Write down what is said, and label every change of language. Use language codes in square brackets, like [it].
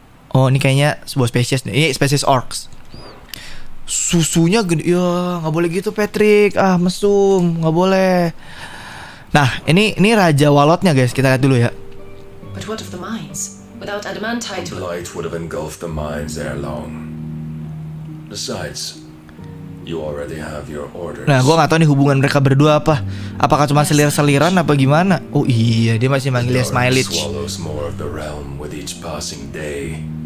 [id] Oh ini kayaknya sebuah spesies nih. Ini spesies orcs. Susunya gede. Ya gak boleh gitu Patrick. Ah mesum. Gak boleh. Nah ini Raja Walotnya guys. Kita lihat dulu ya. [en] But what of the mines? Without adamantite, the blight would have engulfed the mines there long. Besides, you already have your orders. [id] Nah gue gak tahu nih hubungan mereka berdua apa. Apakah cuma selir-seliran apa gimana. Oh iya dia masih manggil ya Smilich. [en] The orcs swallows more of the realm with each passing day.